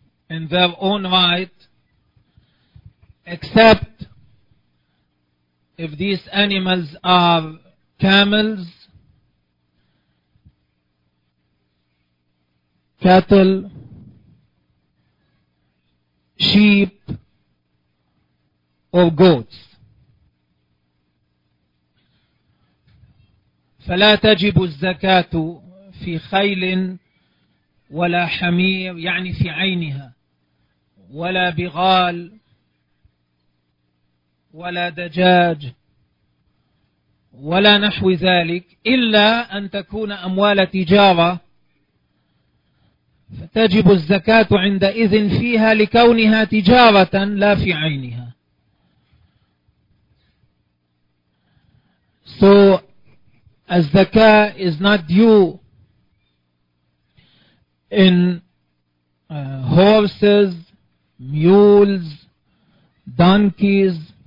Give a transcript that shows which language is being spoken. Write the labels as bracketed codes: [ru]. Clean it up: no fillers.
[en] in their own right, except if these animals are camels, cattle, sheep, or goats. [ar] فلا تجب الزكاة في خيل ولا حمير يعني في عينها ولا بغال ولا دجاج ولا نحو ذلك إلا أن تكون أموال تجارة فتجب الزكاة عندئذ فيها لكونها تجارة لا في عينها. [en] So الزكاة is not due in horses, mules, donkeys,